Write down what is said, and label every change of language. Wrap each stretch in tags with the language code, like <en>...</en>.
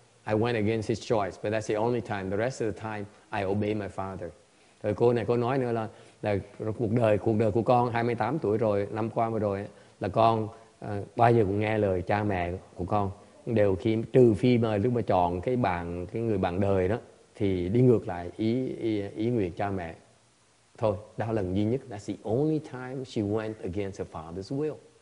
<en>I went against his choice, but that's the only time. The rest of the time, I obey my father.</en> <vi>Rồi cô này, cô nói nữa là cuộc đời của con 28 tuổi rồi, năm qua mà rồi, là con bao giờ cũng nghe lời cha mẹ của con. Đều khi, trừ phi mà lúc mà chọn cái người bạn đời đó, thì đi ngược lại ý nguyện cha mẹ. Thôi, đó lần duy nhất.</vi> <en>That's the only time she went against her father's will.</en>